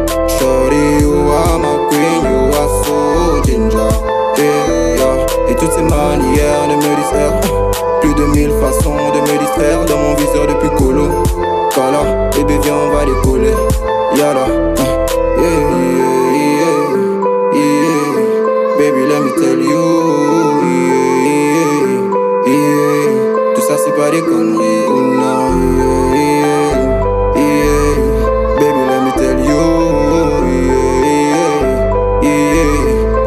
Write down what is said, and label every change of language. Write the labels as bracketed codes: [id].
[en] Shorty you are my queen, you are so ginger, yeah, yeah. [fr] Et toutes ces manières de me distraire, plus de mille façons de me distraire. Dans mon viseur depuis colo, voilà, baby viens on va décoller. Yala, yeah, yeah. [en] Baby, let me tell you, yeah, yeah, yeah. [fr] Tout ça c'est pas des conneries, [en] oh no, yeah, yeah, yeah. Baby, let me tell you, yeah, yeah, yeah.